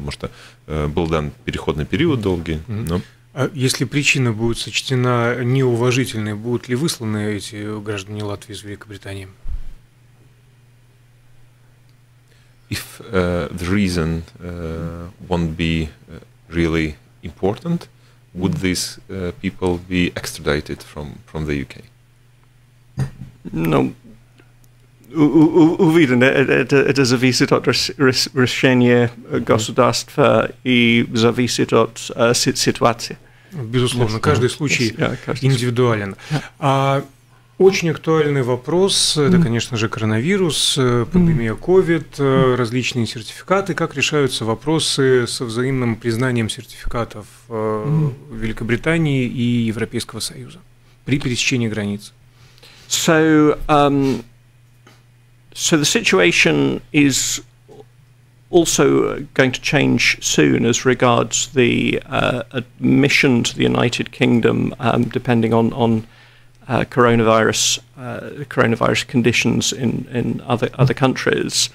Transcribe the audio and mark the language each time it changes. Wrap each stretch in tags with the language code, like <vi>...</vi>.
<ru>Может, был дан переходный период долгий, но... А если причина будет сочтена неуважительной, будут ли высланы эти граждане Латвии из Великобритании?</ru> <en>If the reason won't be really important, would these people be extradited from the UK? No.</en> <ru>Увиден, это зависит от решения государства и зависит от ситуации. Безусловно, каждый случай индивидуален. А очень актуальный вопрос, это, конечно же, коронавирус, пандемия COVID, различные сертификаты. Как решаются вопросы со взаимным признанием сертификатов Великобритании и Европейского Союза при пересечении границ?</ru> <en>So the situation is also going to change soon as regards the admission to the United Kingdom, depending on coronavirus conditions in other countries.</en>